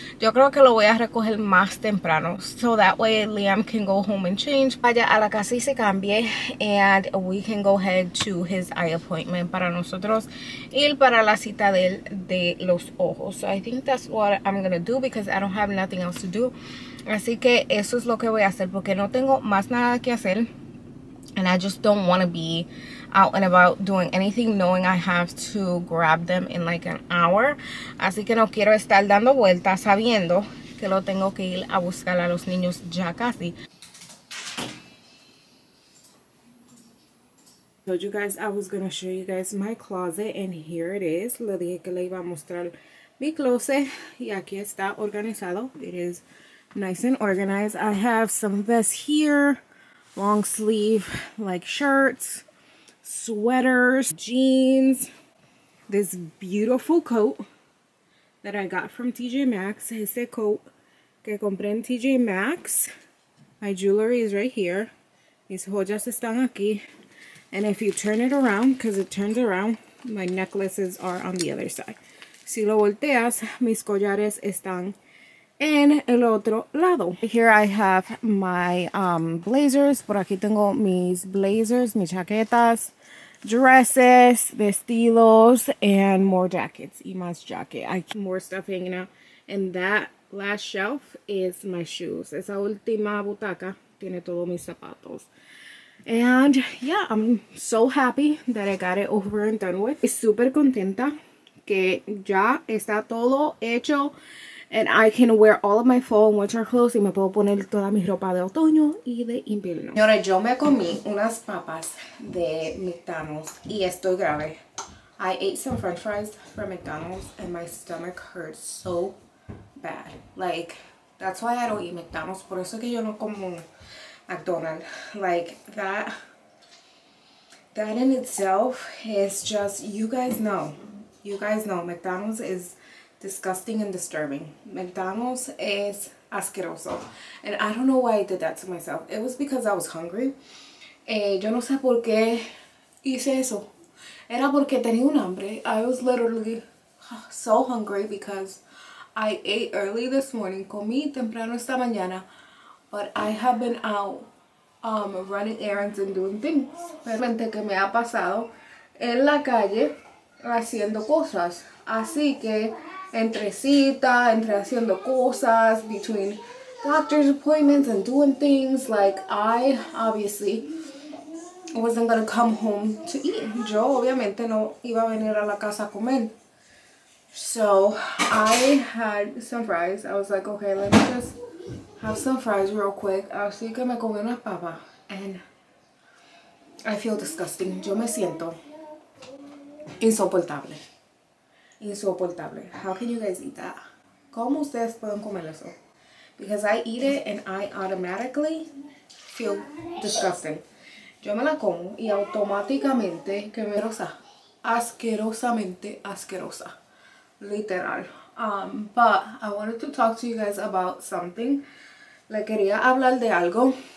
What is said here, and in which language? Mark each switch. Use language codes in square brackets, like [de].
[es] Yo creo que lo voy a recoger más temprano. [en] So that way Liam can go home and change. [es] Vaya a la casa y se cambie. [en] And we can go ahead to his eye appointment [es] para nosotros. Y para la cita del de los ojos. [en] So I think that's what I'm gonna do because I don't have nothing else to do. [es] Así que eso es lo que voy a hacer porque no tengo más nada que hacer. [en] And I just don't want to be out and about doing anything knowing I have to grab them in like an hour. [es] Así que no quiero estar dando vueltas sabiendo que lo tengo que ir a buscar a los niños ya casi. [en] Told you guys I was going to show you guys my closet and here it is. [es] Le dije que le iba a mostrar mi closet y aquí está organizado. [en] It is nice and organized. I have some vests here, long sleeve like shirts, sweaters, jeans, this beautiful coat that I got from TJ Maxx. [es] Ese coat que compré en TJ Maxx. [en] My jewelry is right here. [es] Mis joyas están aquí. [en] And if you turn it around, because it turns around, my necklaces are on the other side. [es] Si lo volteas, mis collares están en el otro lado. [en] Here I have my blazers. [es] Por aquí tengo mis blazers, mis chaquetas, dresses, vestidos, [en] and more jackets. [es] Y más jacket. [en] I keep more stuff hanging out. And that last shelf is my shoes. [es] Esa última butaca tiene todos mis zapatos. [en] And yeah, I'm so happy that I got it over and done with. [es] Estoy super contenta que ya está todo hecho. [en] And I can wear all of my fall and winter clothes. [es] Y me puedo poner toda mi ropa de otoño y de invierno. Señora, yo me comí unas papas de McDonald's. Y estoy grave. [en] I ate some french fries from McDonald's. And my stomach hurts so bad. Like, that's why I don't eat McDonald's. [es] Por eso que yo no como McDonald's. [en] Like, that in itself is just, you guys know. You guys know, McDonald's is disgusting and disturbing. McDonald's is asqueroso. And I don't know why I did that to myself. It was because I was hungry. [es] Yo no sé por qué hice eso. Era porque tenía un hambre. [en] I was literally so hungry because I ate early this morning. [es] Comí temprano esta mañana. [en] But I have been out running errands and doing things. [es] Realmente que me ha pasado en la calle haciendo cosas. Así que entre cita, entre haciendo cosas, [en] between doctor's appointments and doing things, like I obviously wasn't gonna come home to eat. [es] Yo obviamente no iba a venir a la casa a comer. [en] So I had some fries. I was like, okay, let me just have some fries real quick. [es] Así que me comí unas papas. [en] And I feel disgusting. [es] Yo me siento insoportable. Insoportable. [en] How can you guys eat that? [es] ¿Cómo ustedes pueden comer eso? [en] Because I eat it and I automatically feel disgusting. [es] Yo me la como y automáticamente que me rosa. Asquerosamente asquerosa. Literal. [en] But I wanted to talk to you guys about something. [es] Le quería hablar de algo.